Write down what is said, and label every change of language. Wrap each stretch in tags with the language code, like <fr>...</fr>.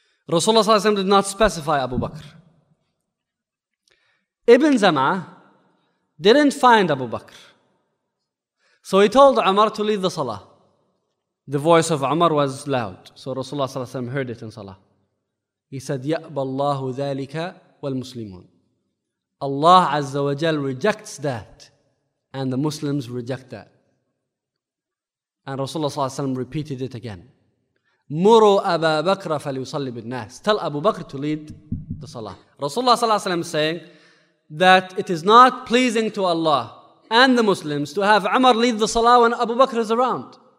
<en>Rasulullah sallallahu alayhi wa sallam did not specify Abu Bakr. Ibn Zam'ah didn't find Abu Bakr. So he told Umar to lead the salah. The voice of Umar was loud. So Rasulullah sallallahu alayhi wa sallam heard it in salah. He said,</en> <ar>يَأْبَ اللَّهُ ذَلِكَ وَالْمُسْلِمُونَ.</ar> <en>Allah Azza wa Jal rejects that, and the Muslims reject that. And Rasulullah sallallahu alayhi wa sallam repeated it again.</en> <ar>مُرُوا أَبَا بَكْرَ فَلْيُصَلِّ بِالنَّاسِ.</ar> <en>Tell Abu Bakr to lead the salah. Rasulullah sallallahu alayhi wa sallam is saying that it is not pleasing to Allah and the Muslims to have Umar lead the salah when Abu Bakr is around.</en>